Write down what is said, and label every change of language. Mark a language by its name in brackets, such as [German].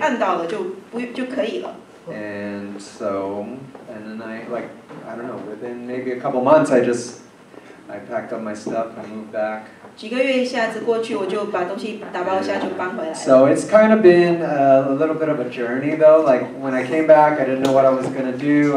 [Chinese] 就不知道为什么哈，一下子之间就我对我之前在的那个地方就没有什么留恋了，就是好像有一个就地方被按钮被按到了，就可以了。And [English] so, and then I don't know, within maybe a couple months, I packed up my stuff and moved back. [Chinese] 几个月一下子过去，我就把东西打包一下就搬回来了。 [English] So it's kind of been a little bit of a journey though. Like when I came back, I didn't know what I was gonna do.